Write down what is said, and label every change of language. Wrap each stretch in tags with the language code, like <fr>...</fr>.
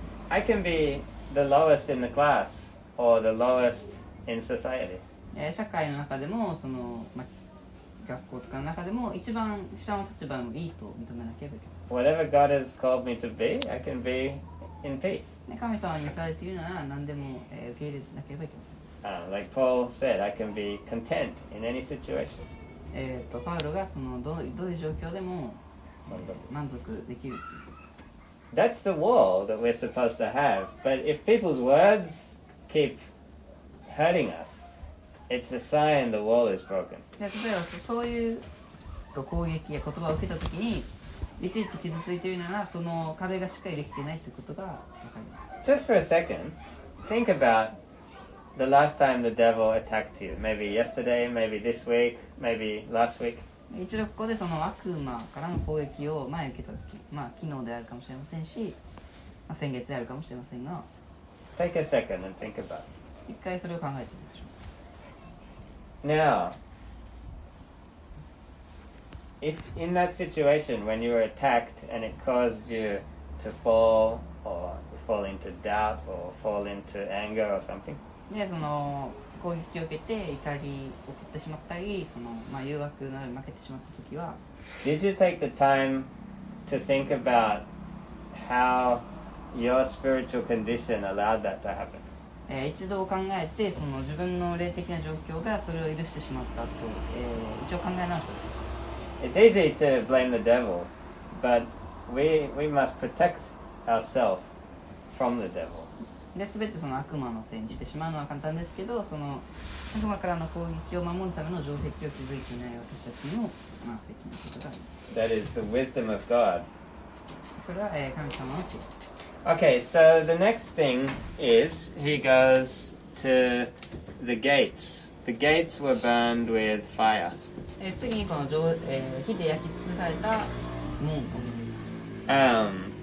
<en>I can be the lowest in the class or the lowest in society.</en> <ja>社会の中でもその、ま、学校とかの中でも一番下の立場もいいと認めなければいけない。</ja> <en>Whatever God has called me to be, I can be. In peace.</en> <ja>神様にされているなら何でも、受け入れなければいけません。</ja> <en>Like Paul said, I can be content in any situation.</en> <ja>パウロがそのどういう状況でも満足できる。</ja> <en>That's the wall that we're supposed to have. But if people's words keep hurting us, it's a sign the wall is broken.</en> <ja>例えばそういう攻撃や言葉を受けたときに。いちいち傷ついているならその壁がしっかりできていないということがわかります。</ja> <en>Just for a second, think about the last time the devil attacked you. Maybe yesterday, maybe this week, maybe last week.</en> <ja>一度ここでその悪魔からの攻撃を前受けたとき、まあ昨日であるかもしれませんし、まあ、先月であるかもしれませんが。</ja> <en>Take a second and think about it.</en> <ja>一回それを考えてみましょう。</ja> <en>Now,If in that situation when you were attacked and it caused you to fall or fall into doubt or fall into anger or something?</en> <ja>で、その攻撃を受けて怒り起こってしまったり、その、まあ、誘惑などに負けてしまったときは</ja> <en>Did you take the time to think about how your spiritual condition allowed that to happen?</en> <ja>一度考えて、その自分の霊的な状況がそれを許してしまったと、一応考え直した</ja> <en>It's easy to blame the devil, but we must protect ourselves from the devil.</en> <ja>で、全てその悪魔のせいにしてしまうのは簡単ですけど、その悪魔からの攻撃を守るための城壁を築いていない私たちの、まあ、責任ということがあります。</ja> <en>That is the wisdom of God.</en> <ja>それは、神様の知恵。</ja> <en>Okay, so the next thing is, he goes to the gates. The gates were burned with fire.</en> <ja>次にこの火で焼き尽くされた門を見ます。</ja>